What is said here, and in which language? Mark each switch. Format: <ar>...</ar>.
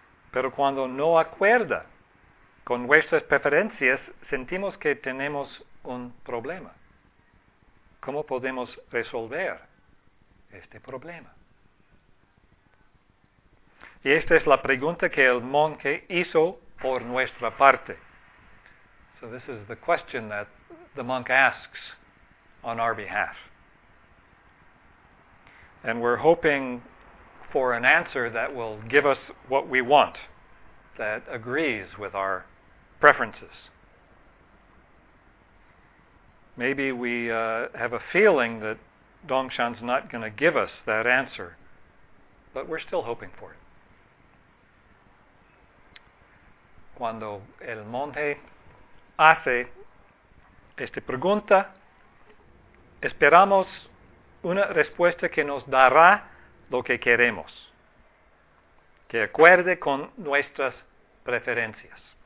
<es>Pero cuando no acuerda con nuestras preferencias, sentimos que tenemos un problema. ¿Cómo podemos resolver este problema? Y esta es la pregunta que el monje hizo por nuestra parte.</es> <en>So this is the question that the monk asks on our behalf. And we're hoping for an answer that will give us what we want, that agrees with our preferences. Maybe we have a feeling that Dongshan's not going to give us that answer, but we're still hoping for it.</en> <es>Cuando el monje hace esta pregunta, esperamos una respuesta que nos dará lo que queremos, que acuerde con nuestras preferencias.</es>